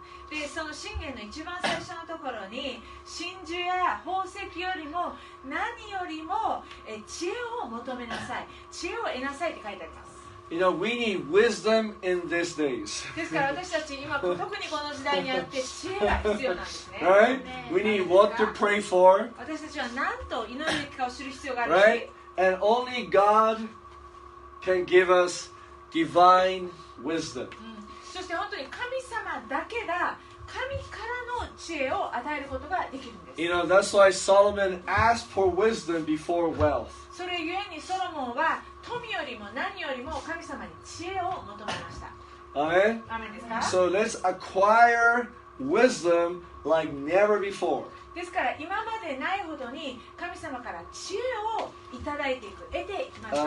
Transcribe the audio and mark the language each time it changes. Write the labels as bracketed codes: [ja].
[ja] でその箴言の一番最初のところに真珠や宝石よりも何よりも知恵を求めなさい、知恵を得なさいって書いてあります。 [en] You know, we need wisdom in these days. [ja] ですから私たち今特にこの時代にあって知恵が必要なんですね。 [en] Right? We need what to pray for. [ja] 私たちは何と祈るべきかを知る必要がある [en] し。Right? And only God can give us divine wisdom. [ja] そして本当に神様だけが神からの知恵を与えることができるんです。 You know, that's why Solomon asked for wisdom before wealth. それゆえにソロモンは富よりも何よりも神様に知恵を求めました。アメン。アメンですか? [en] So let's acquire wisdom like never before. [ja] ですから今までないほどに神様から知恵をいただいていく、得ていきましょう。